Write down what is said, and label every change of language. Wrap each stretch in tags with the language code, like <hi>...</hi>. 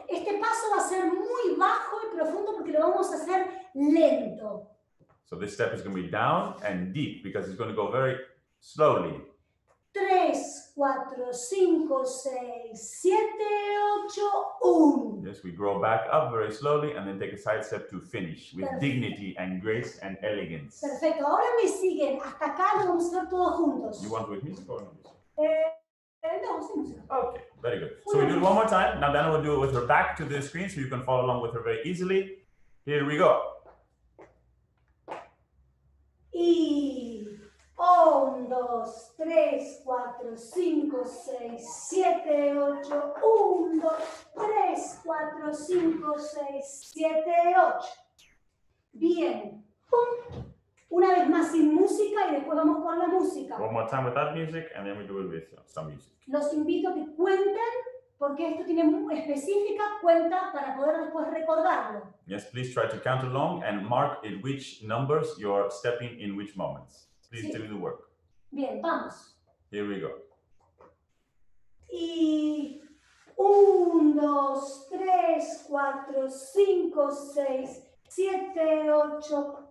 <es>Este paso va a ser muy bajo y profundo porque lo vamos a hacer lento.</es> <en>So this step is going to be down and deep because it's going to go very slowly.</en> <es>Tres, cuatro, cinco, seis, siete, ocho, un.</es> <en>Yes, we grow back up very slowly and then take a side step to finish with</en> <es>perfecto.</es> <en>Dignity and grace and elegance.</en> <es>Perfecto, ahora me siguen. Hasta acá lo vamos a hacer todos juntos.</es> <en>You want with me or no?</en> <es>No, sí.</es> <en>Okay, very good. So we do it one more time. Now Dana will do it with her back to the screen so you can follow along with her very easily. Here we go.</en> <es>E. Un, dos, tres, cuatro, cinco, seis, siete, ocho. Un, dos, tres, cuatro, cinco, seis, siete, ocho. Bien. Pum. Una vez más sin música y después vamos con la música.</es> <en>One more time without music and then we do it with some music.</en> <es>Los invito a que cuenten porque esto tiene muy específica cuenta para poder después recordarlo.</es> <en>Yes, please try to count along and mark in which numbers you are stepping in which moments. Please</en> <es>sí.</es> <en>Do the work.</en> <es>Bien, vamos.</es> <en>Here we go.</en> <es>Y un, dos, tres, cuatro, cinco, seis, siete, ocho.</es>